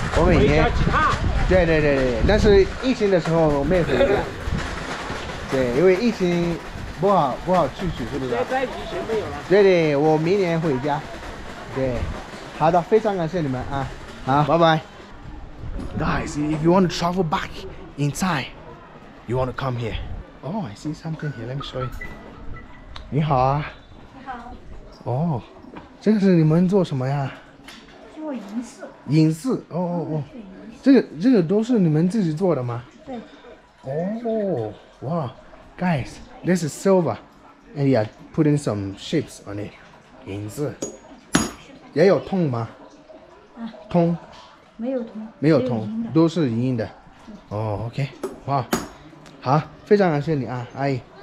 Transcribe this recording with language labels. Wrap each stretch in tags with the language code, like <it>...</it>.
<zh>我每年回家几趟？对对对对，但是疫情的时候我没回家。对，因为疫情。不好去取，是不是？现在疫情没有了。对对，我明年回家。对，好的，非常感谢你们啊，好，拜拜。</zh> <en>Guys, if you want to travel back in time, you want to come here. Oh, I see something here. Let me show you.</en> <zh>你好啊。你好。哦，这个是你们做什么呀？做银饰。银饰，哦哦哦，这个都是你们自己做的吗？对。哦，哇 ，Guys。</zh> <en>This is silver, and you are putting some shapes on it.</en> <zh>银子也有铜吗？啊，铜，没有铜，没有铜，都是银的。哦、oh, ，OK， 哇、wow. ，好，非常感谢你啊，阿姨。</zh>